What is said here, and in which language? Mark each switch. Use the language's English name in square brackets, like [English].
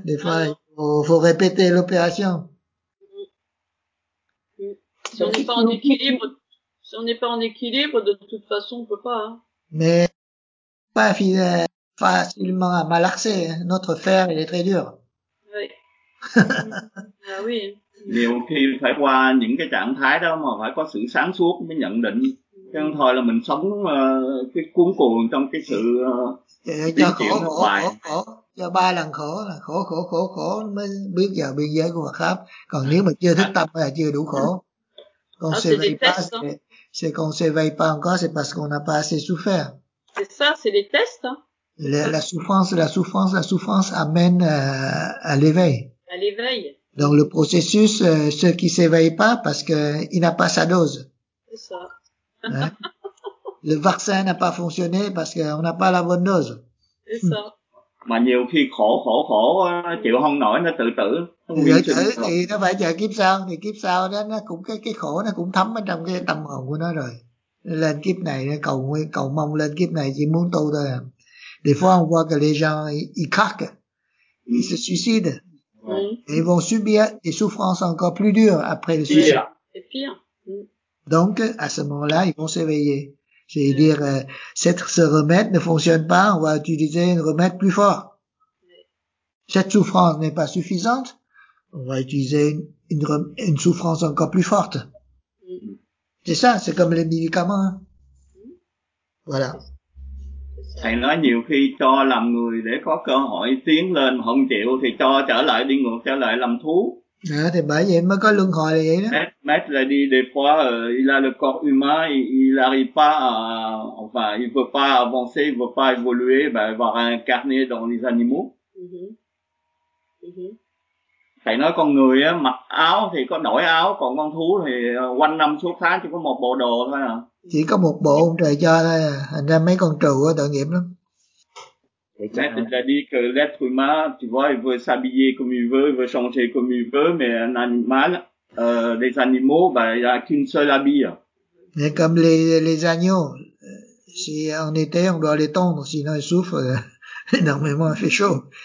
[French] Des fois, il faut répéter l'opération. Si on n'est pas en équilibre, de toute façon, on peut pas, hein. Mais, pas facilement à malaxer, hein. Notre fer, il est très dur. [Vietnamese] Nhiều khi phải qua những cái trạng thái đó mà phải có sự sáng suốt mới nhận định. Chứ không thôi là mình sống cái cuốn cuồng trong cái sự cho khổ, cho ba lần khổ là khổ mới biết giờ biên giới của Phật pháp. Còn nếu mà chưa thức tâm là chưa đủ khổ. [French] Con se veille pas, c'est qu'on se veille pas encore, c'est parce qu'on n'a pas assez souffert. C'est ça, c'est les tests. La souffrance amène à l'éveil. À l'éveil. Dans le processus, ceux qui s'éveillent pas, parce que il n'a pas sa dose. C'est ça. Hein? Le vaccin n'a pas fonctionné parce qu'on n'a pas la bonne dose. C'est ça. [Vietnamese] Mà nhiều khi khổ, chịu không nổi, nó tự tử. Thì nó phải chờ kiếp sau, thì kiếp sau đó nó cũng cái khổ nó cũng thấm ở trong cái tâm hồn của nó rồi. Lên kiếp này, cầu mong lên kiếp này chỉ muốn tu thôi. [French] Des fois, on voit que les gens, ils craquent, ils se suicident. Et ils vont subir des souffrances encore plus dures après le suicide. C'est pire. Donc, à ce moment-là, ils vont s'éveiller. C'est-à-dire, ce remède ne fonctionne pas, on va utiliser un remède plus fort. Cette souffrance n'est pas suffisante, on va utiliser une souffrance encore plus forte. C'est ça, c'est comme les médicaments. Voilà. [Vietnamese] Thầy nói nhiều khi cho làm người để có cơ hội tiến lên, không chịu thì cho trở lại đi ngược trở lại làm thú. À, thì bởi vậy mới có luân hồi là vậy đó. [French] Mais là đi des fois, il a le corps humain, il arrive pas à, enfin, il veut pas avancer, il veut pas évoluer, ben, va réincarner dans les animaux. [Vietnamese] Thầy nói con người á, mặc áo thì có đổi áo, còn con thú thì quanh năm suốt tháng chỉ có một bộ đồ thôi à. Chỉ có một bộ ông trời cho thôi à. Thành ra mấy con trù á, tội nghiệp lắm. [French] Mais il a dit que l'être humain, tu vois, il veut s'habiller comme il veut, il veut changer comme il veut, mais un animal, les animaux, ben, il n'y a qu'une seule habille. Mais comme les agneaux, si en été, on doit les tondre, sinon ils souffrent énormément, il fait chaud.